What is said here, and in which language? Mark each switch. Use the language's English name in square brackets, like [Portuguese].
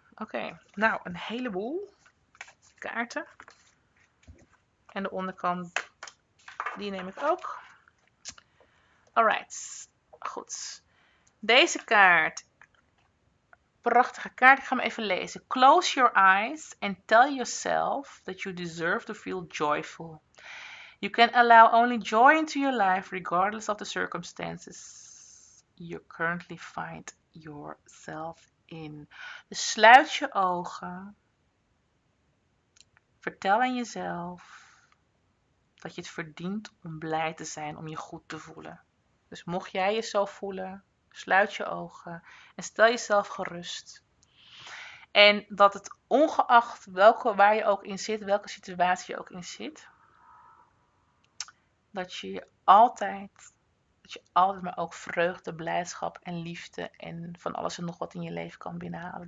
[Dutch] Oké, nou, een heleboel. Kaarten. En de onderkant, die neem ik ook. Alright, goed. Deze kaart, prachtige kaart, ik ga hem even lezen. [English] Close your eyes and tell yourself that you deserve to feel joyful. You can allow only joy into your life, regardless of the circumstances you currently find yourself in. [Dutch] Dus sluit je ogen. Vertel aan jezelf dat je het verdient om blij te zijn, om je goed te voelen. Dus mocht jij je zo voelen, sluit je ogen en stel jezelf gerust. En dat het ongeacht waar je ook in zit, welke situatie je ook in zit, dat je altijd maar ook vreugde, blijdschap en liefde en van alles en nog wat in je leven kan binnenhalen.